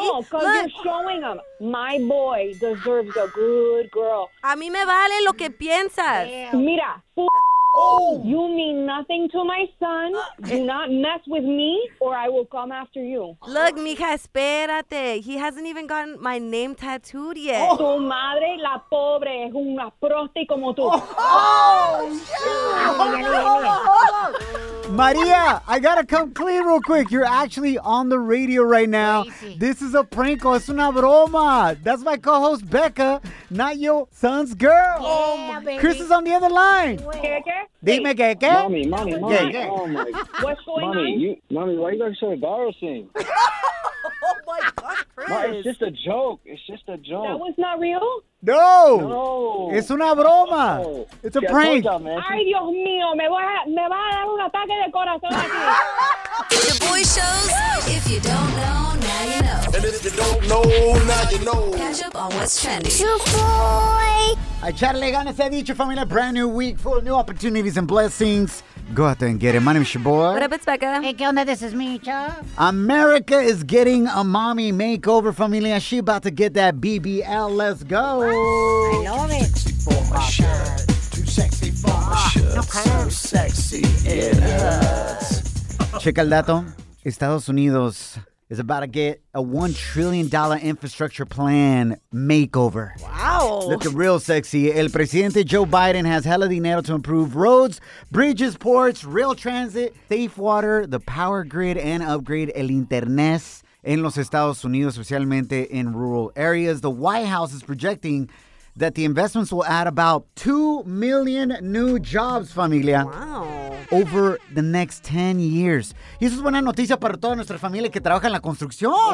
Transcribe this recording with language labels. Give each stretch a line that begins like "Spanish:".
English: No, because you're showing them my boy deserves a good girl.
Spanish: A mí me vale lo que piensas.
English: Damn. Mira, you mean nothing to my son. Do not mess with me or I will come after you. Look,
Spanish: mija, espérate.
English: He hasn't even gotten my name tattooed yet.
Spanish: Tu madre, la pobre, es una prosti como tú.
English: Maria, I gotta come clean real quick. You're actually on the radio right now. Crazy. This is a prank call. It's
Spanish: una broma.
English: That's my co-host, Becca, not your son's girl. Yeah, baby. Chris is on the other line.
Spanish: ¿Qué? Dime, ¿qué?
English: Mommy, mommy.
Spanish: ¿Qué?
English: Oh, my. What's going mommy, on? Mommy, why are you guys so embarrassing? Oh, my God, Chris. Mom, it's just a joke. It's just a joke. That was not real? No. No. It's
Spanish: una broma.
English: Oh. It's a prank.
Spanish: Ay, Dios mío. Me va a dar un ataque de corazón aquí.
English: The boy shows. If you don't know, now you know. And if you don't know, now you know. Catch up on what's trending. Your boy.
Spanish: A echarle ganas a dicho familia,
English: brand new week full of new opportunities and blessings. Go out there and get it. My name is Shaboy. What up, it's Becca. Hey,
Spanish: ¿qué onda?
English: This is Micho. America is getting a mommy makeover, familia. She about to get that BBL. Let's go. I love it. Too sexy for my shirt. Too sexy for my shirt. No, so sexy it hurts.
Spanish: Checa el dato. Estados Unidos
English: is about to get a $1 trillion infrastructure plan makeover. Wow. Looking real sexy.
Spanish: El presidente
English: Joe Biden has hella dinero to improve roads, bridges, ports, rail transit, safe water, the power grid, and upgrade
Spanish: el internet en los Estados Unidos, especialmente
English: in rural areas. The White House is projecting that the investments will add about 2 million new jobs, familia. Wow. Over the next 10 years.
Spanish: Y eso es buena noticia para toda nuestra familia que trabaja en la construcción.